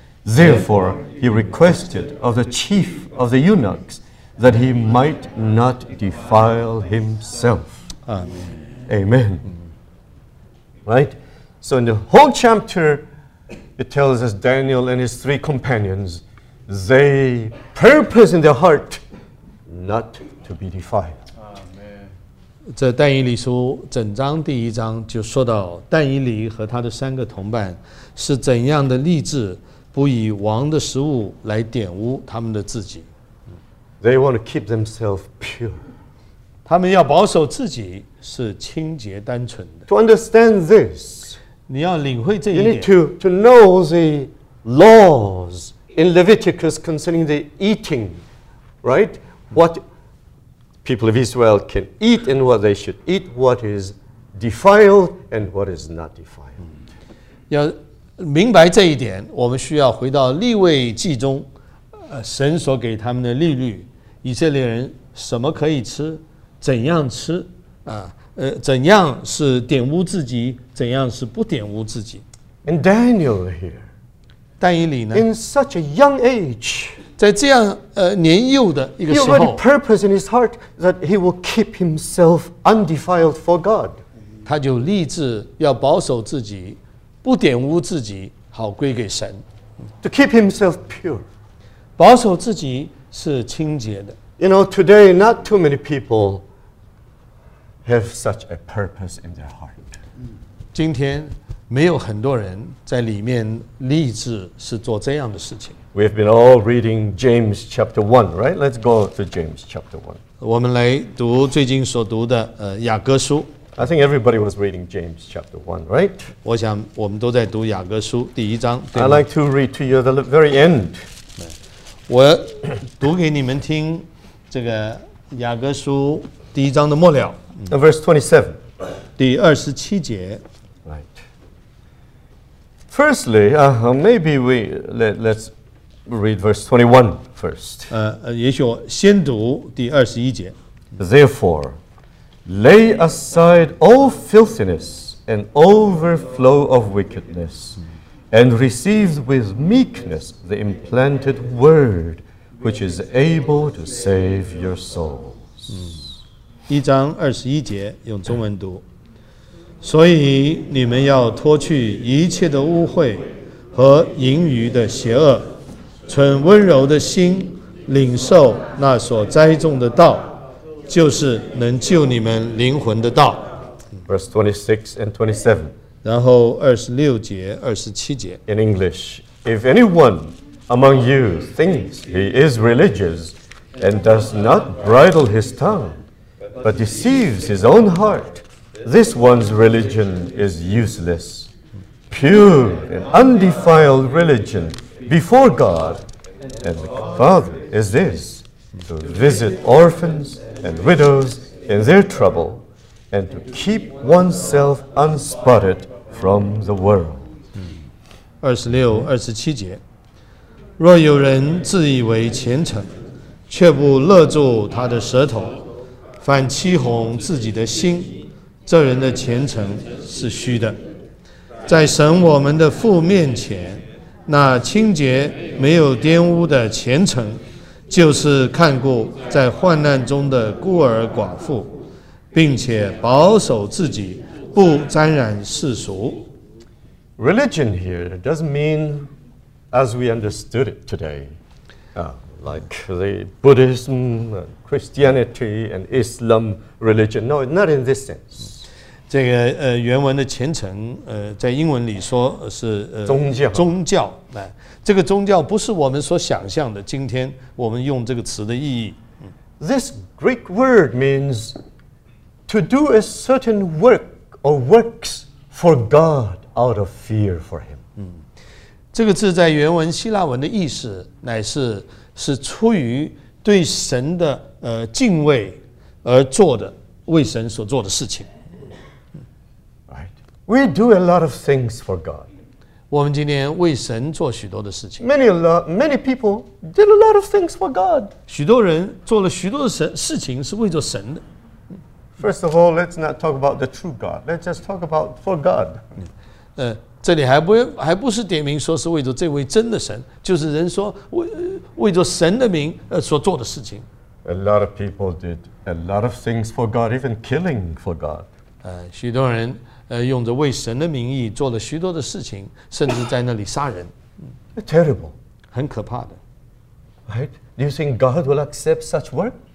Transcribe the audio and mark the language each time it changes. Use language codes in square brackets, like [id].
[en] Therefore, he requested of the chief of the eunuchs that he might not defile himself. Amen. Right? So in the whole chapter, it tells us Daniel and his three companions, they purpose in their heart not to be defiled. [zh] 这但以理书整章第一章就说到但以理和他的三个同伴是怎样的立志不以王的食物来玷污他们的自己。 [en] They want to keep themselves pure. [zh] 他们要保守自己是清洁单纯的。 [en] To understand this, [zh] 你要领会这一点。 [en] You need to know the laws in Leviticus concerning the eating, right? What people of Israel can eat and what they should eat, what is defiled and what is not defiled. [zh] 要明白这一点，我们需要回到利未记中，神所给他们的律例，以色列人什么可以吃，怎样吃，怎样是玷污自己，怎样是不玷污自己。 [en] And Daniel here, [zh] 但以理呢 [en] in such a young age, [zh] 在这样年幼的一个时候 [en] He already purposed in his heart that he will keep himself undefiled for God. [zh] 他就立志要保守自己不玷污自己好归给神 [en] To keep himself pure. [zh] 保守自己是清洁的 [en] You know, today not too many people have such a purpose in their heart. [zh] 今天没有很多人在里面立志是做这样的事情 [en] We have been all reading James chapter 1, right? Let's go to James chapter 1. [zh] 我们来读最近所读的雅各书。 [en] I think everybody was reading James chapter 1, right? [zh] 我想我们都在读雅各书第一章。 [en] I'd like to read to you at the very end. [zh] 我读给你们听这个雅各书第一章的末了。 [en] Verse 27. [zh] 第二十七节。 [en] Right. Firstly, maybe we, let's... Read verse 21 first. [zh] 也许我先读第二十一节。 [en] Therefore, lay aside all filthiness and overflow of wickedness, and receive with meekness the implanted word, which is able to save your souls. [zh] 一章二十一节用中文读。所以你们要脱去一切的污秽和淫余的邪恶。存温柔的心领受那所栽种的道就是能救你们灵魂的道 [en] Verse 26 and 27 [zh] 然后26节27节 [en] In English If anyone among you thinks he is religious and does not bridle his tongue but deceives his own heart this one's religion is useless pure and undefiled religionBefore God and the Father is this, to visit orphans and widows in their trouble and to keep oneself unspotted from the world. [zh] 26, 27节若有人自以为虔诚却不勒住他的舌头反欺哄自己的心这人的虔诚是虚的。在神我们的父面前那清洁没有玷污的虔诚就是看顾在患难中的孤儿寡妇并且保守自己不沾染世俗 [en] Religion here doesn't mean as we understood it today like the Buddhism, Christianity and Islam religion No, not in this sense [zh] 这个原文的虔诚在英文里说是宗教宗教这个宗教不是我们所想象的今天我们用这个词的意义 [en] This Greek word means to do a certain work or works for God out of fear for him [zh] 这个字在原文希腊文的意思乃是是出于对神的敬畏而做的为神所做的事情 [en] Right. We do a lot of things for God [zh] 我们今天为神做许多的事情。 [en] Many people did a lot of things for God. [zh] 许多人做了许多的事情是为着神的。 [en] First of all, let's not talk about the true God. Let's just talk about for God. [zh] 这里还不是点名说是为着这位真的神，就是人说为着神的名所做的事情。 [en] A lot of people did a lot of things for God, even killing for God. [zh] 许多人用着为神的名义做了许多的事情，甚至在那里杀人。 [en] Terrible. [zh] 很可怕的。 [en] Right? Do you think God will accept such works?